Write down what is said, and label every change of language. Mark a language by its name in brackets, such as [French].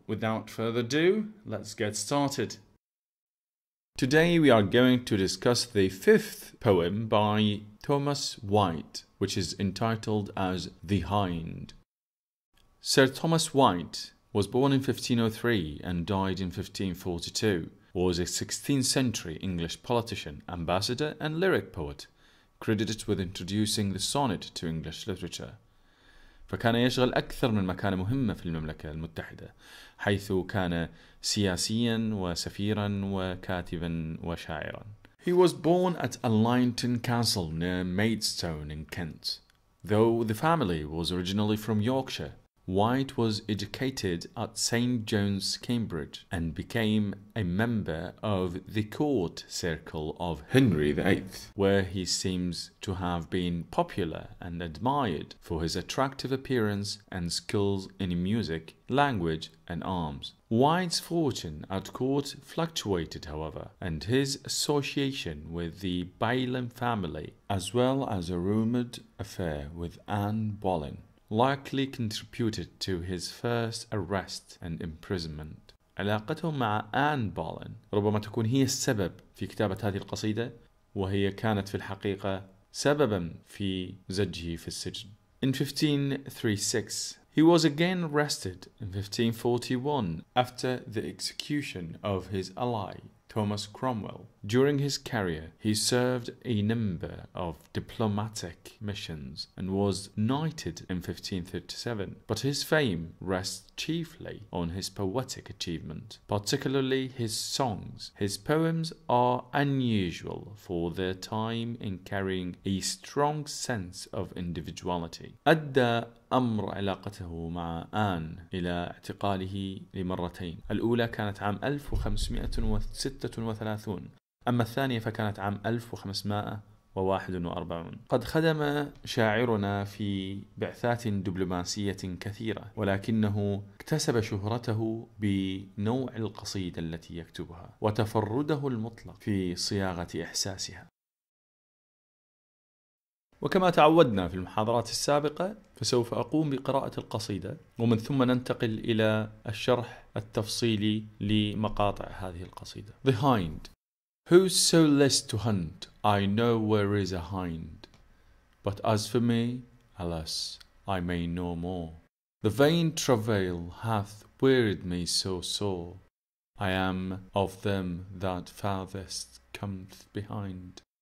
[English] Without further ado, let's get started. Today we are going to discuss the fifth poem by Thomas Wyatt, which is entitled as The Hind. Sir Thomas Wyatt was born in 1503 and died in 1542, was a 16th century English politician, ambassador and lyric poet, credited with introducing the sonnet to English literature. [Arabic] فكان يشغل أكثر من مكانة مهمة في المملكة المتحدة حيث كان سياسيا وسفيرا وكاتبا وشاعرا. [English] He was born at Allington Castle near Maidstone in Kent. Though the family was originally from Yorkshire, Wyatt was educated at St. John's, Cambridge, and became a member of the court circle of Henry VIII, where he seems to have been popular and admired for his attractive appearance and skills in music, language, and arms. Wyatt's fortune at court fluctuated, however, and his association with the Baillam family, as well as a rumored affair with Anne Boleyn, likely contributed to his first arrest and imprisonment. [Arabic] علاقته مع آن بولين ربما تكون هي السبب في كتابة هذه القصيدة وهي كانت في الحقيقة سببا في زجه في السجن. [English] In 1536, he was again arrested in 1541 after the execution of his ally, Thomas Cromwell. During his career, he served a number of diplomatic missions and was knighted in 1537, but his fame rests chiefly on his poetic achievement, particularly his songs. His poems are unusual for their time in carrying a strong sense of individuality. [Arabic] أدى أمر علاقته مع آن إلى اعتقاله لمرتين. الأولى كانت عام 1536 أما الثانية فكانت عام 1541. قد خدم شاعرنا في بعثات دبلوماسية كثيرة ولكنه اكتسب شهرته بنوع القصيدة التي يكتبها وتفرده المطلق في صياغة إحساسها. وكما تعودنا في المحاضرات السابقة فسوف أقوم بقراءة القصيدة ومن ثم ننتقل إلى الشرح التفصيلي لمقاطع هذه القصيدة. [English] The Hind. Who's so list to hunt, I know where is a hind. But as for me, alas, I may no more. The vain travail hath wearied me so sore. I am of them that farthest cometh behind.